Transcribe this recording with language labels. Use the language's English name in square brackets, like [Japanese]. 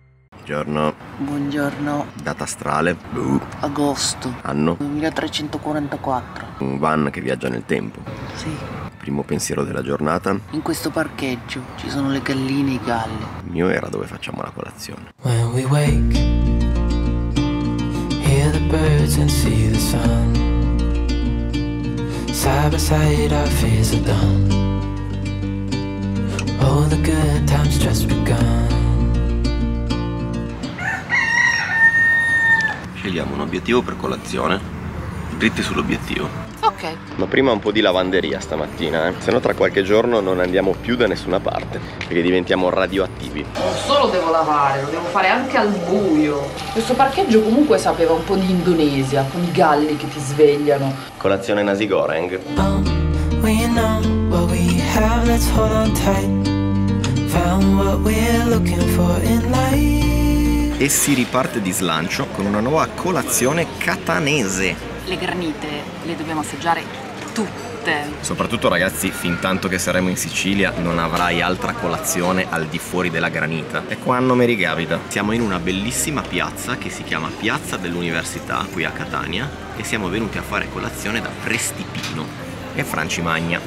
[Italian] Buongiorno. Buongiorno. Data astrale. Agosto. Anno. 2344. Un van che viaggia nel tempo. Sì. Primo pensiero della giornata. In questo parcheggio ci sono le galline e i galli. Il mio era dove facciamo la colazione. [English] When we wake, hear the birds and see the sun. Side by side our fears are done. Oh, the good times just begun. [Italian] Scegliamo un obiettivo per colazione. Dritti sull'obiettivo. Ok. Ma prima un po' di lavanderia stamattina, eh. Sennò tra qualche giorno non andiamo più da nessuna parte, perché diventiamo radioattivi. Non solo devo lavare, lo devo fare anche al buio. Questo parcheggio comunque sapeva un po' di Indonesia, con i galli che ti svegliano. Colazione nasi goreng. [English] We know what we have, let's hold on tight. Found what we're looking for in life. [Italian] E si riparte di slancio con una nuova colazione catanese. Le granite le dobbiamo assaggiare tutte. Soprattutto, ragazzi, fin tanto che saremo in Sicilia non avrai altra colazione al di fuori della granita. E qua non mi ricapita. Siamo in una bellissima piazza che si chiama Piazza dell'Università qui a Catania e siamo venuti a fare colazione da Prestipino e Francimagna.